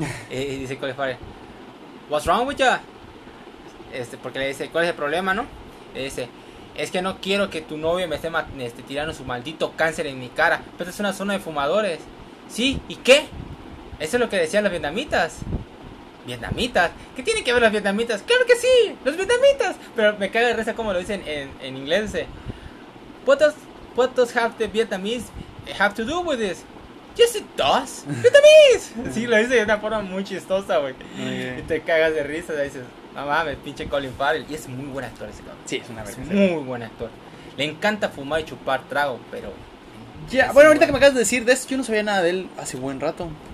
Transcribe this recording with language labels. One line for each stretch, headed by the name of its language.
Spanish: Y dice
English: Colin Farrell, what's wrong with you?
Spanish: Porque le dice, ¿cuál es el problema, no? Y dice, es que no quiero que tu novia me esté tirando su maldito cáncer en mi cara. Pero es una zona de fumadores. ¿Sí? ¿Y qué? Eso es lo que decían los vietnamitas. ¿Vietnamitas? ¿Qué tiene que ver los vietnamitas? ¡Claro que sí! ¡Los vietnamitas! Pero me cae de risa como lo dicen en inglés.
English: What does have the Vietnamese have to do with this? Yes, it does. ¡Vietnamese!
Spanish: Sí, lo dice de una forma muy chistosa, güey. Y te cagas de risa y dices... No mames, pinche Colin Farrell. Y es muy buen actor ese cabrón. Sí, es una vergüenza. Muy buen actor. Le encanta fumar y chupar trago, pero... Ya, yeah. Bueno, ahorita que me acabas de decir de eso, yo no sabía nada de él hace buen rato.